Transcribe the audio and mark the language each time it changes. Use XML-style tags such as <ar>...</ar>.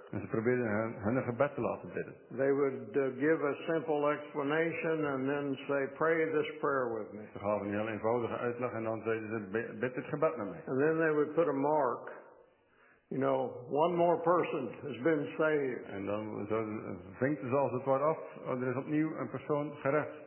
<nl>En ze probeerden hun gebed te laten bidden.</nl> <en>They would give a simple explanation and then say, pray this prayer with me.</en> <nl>Ze gaven een heel eenvoudige uitleg en dan zeiden ze, bid dit gebed naar mij.</nl> <en>And then they would put a mark. You know, one more person has been saved.</en> <nl>En dan vinkten ze als het ware af, er is opnieuw een persoon gered.</nl>